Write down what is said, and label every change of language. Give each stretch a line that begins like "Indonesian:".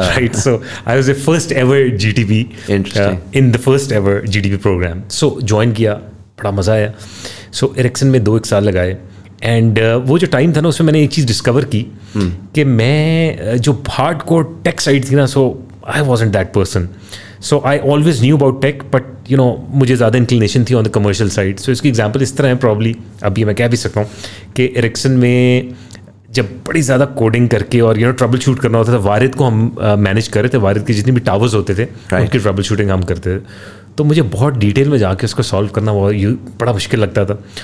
English: Right. So I was a first ever G T P in the first ever G T P programme.
Urdu: So join کیا, بڑا مزہ آیا. سو Erikson میں 2-1 سال لگائے. اینڈ وہ جو ٹائم تھا نا, اس میں نے ایک چیز ڈسکور کی کہ میں جو ہارڈ کور ٹیک سائڈ تھی نا, سو
English: I wasn't that person. So I always knew about tech, but you know,
Urdu: مجھے زیادہ انکلینیشن تھی
English: On the commercial side.
Urdu: سو اس کی ایگزامپل اس طرح ہیں, پرابلی ابھی میں کہہ بھی سکتا ہوں کہ ایرکسن میں جب بڑی زیادہ کوڈنگ کر کے اور یو نو ٹربل شوٹ کرنا ہوتا تھا, وارد کو ہم مینیج کر رہے تھے, وارد کے جتنے بھی ٹاورز ہوتے تھے ان کی ٹربل شوٹنگ ہم کرتے تھے, تو مجھے بہت ڈیٹیل میں جا کے اس کو سالو کرنا بڑا مشکل لگتا تھا.